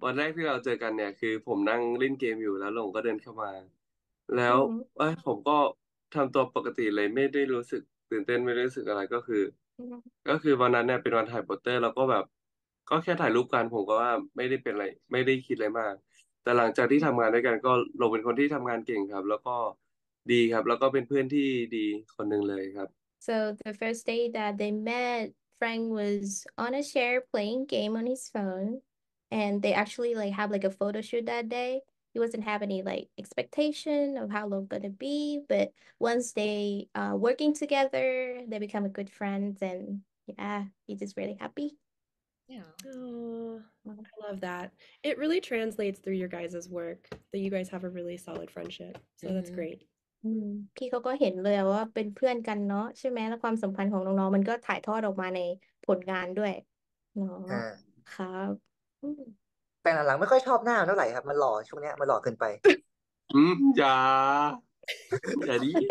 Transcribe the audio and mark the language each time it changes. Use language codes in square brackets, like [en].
[th] วันแรกที่เราเจอกันเนี่ยคือผมนั่งเล่นเกมอยู่แล้วหลงก็เดินเข้ามาแล้วเอ้ยผมก็ทําตัวปกติเลยไม่ได้รู้สึกตื่นเต้นไม่รู้สึกอะไรก็คือวันนั้นเนี่ยเป็นวันถ่ายโปสเตอร์เราก็แบบก็แค่ถ่ายรูปกันผมก็ว่าไม่ได้เป็นอะไรไม่ได้คิดอะไรมากแต่หลังจากที่ทํางานด้วยกันก็หลงเป็นคนที่ทํางานเก่งครับแล้วก็ดีครับแล้วก็เป็นเพื่อนที่ดีคนหนึ่งเลยครับ [en] So the first day that they met, Frank was on a chair playing game on his phone, and they actually like have like a photo shoot that day. He wasn't have any like expectation of how long gonna be, but once they working together, they become a good friends, and yeah, he's just really happy. Yeah. Oh, I love that. It really translates through your guys' work that you guys have a really solid friendship. So that's great. [th] พี่เขาก็เห็นเลยว่าเป็นเพื่อนกันเนาะใช่ไหมแล้วความสัมพันธ์ของน้องๆมันก็ถ่ายทอดออกมาในผลงานด้วยเนาะครับ แต่หลังๆไม่ค่อยชอบหน้าเท่าไหร่ครับมันหล่อช่วงเนี้ยมันหล่อเกินไป อืมอย่าดิ